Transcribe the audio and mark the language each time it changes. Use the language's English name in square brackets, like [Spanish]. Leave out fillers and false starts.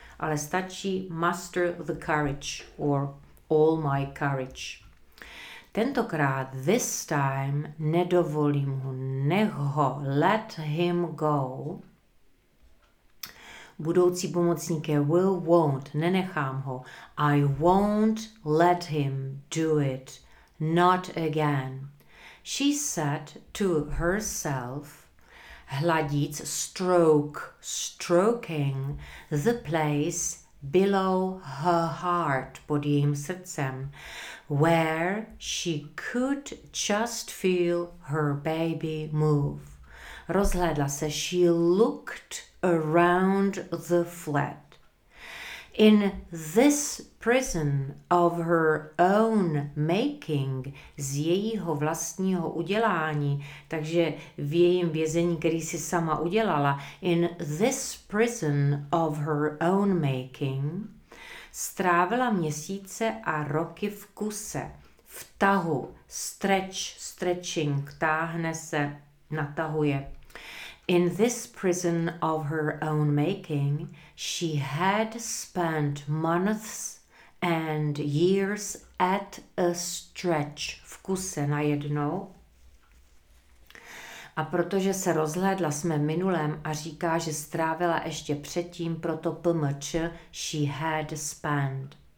[Czech] Ale stačí [English] muster the courage or all my courage. [Czech] Tentokrát, [English] this time, [Czech] nedovolím ho, nech ho, [English] let him go. [Czech] Budoucí pomocník je [English] will, won't, [Czech] nenechám ho. [English] I won't let him do it, not again. She said to herself, [Czech] hladíc, [English] stroking the place below her heart, [Czech] pod jejím srdcem, [English] where she could just feel her baby move. [Czech] Rozhlédla se, [English] she looked around the flat. In this prison of her own making, [Czech] z jejího vlastního udělání, takže v jejím vězení, který si sama udělala, in this prison of her own making, strávila měsíce a roky v kuse, v tahu, [English] stretching, [Czech] táhne se, natahuje. [English] In this prison of her own making, she had spent months and years at a stretch, [Czech] v kuse najednou. A protože se rozhlédla jsme minulém a říká, že strávila ještě předtím, proto PMČ, [English] she had spent.